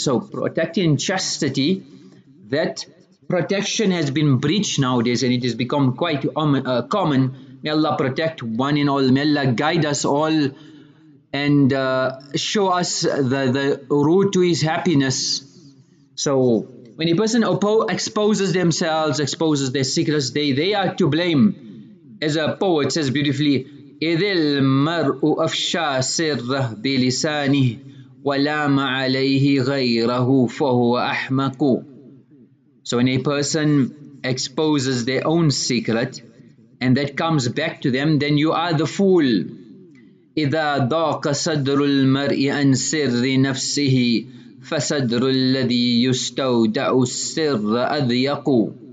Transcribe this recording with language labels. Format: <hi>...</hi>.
<en>So protecting chastity, that protection has been breached nowadays and it has become quite common. May Allah protect one and all. May Allah guide us all and show us the route to His happiness. So when a person exposes themselves, exposes their secrets, they are to blame. As a poet says beautifully,</en> <ar>إِذِ الْمَرْءُ أَفْشَى سِرَّهُ بِلِسَانِهِ وَلَامَ عَلَيْهِ غَيْرَهُ فَهُوَ أَحْمَقُ.</ar> <en>So when a person exposes their own secret and that comes back to them, then you are the fool.</en> <ar>إِذَا ضَاقَ صَدْرُ الْمَرْءِ أَنْ سِرِّ نَفْسِهِ فَصَدْرُ الَّذِي يُسْتَوْدَعُ السِّرَّ أَذْيَقُ.</ar>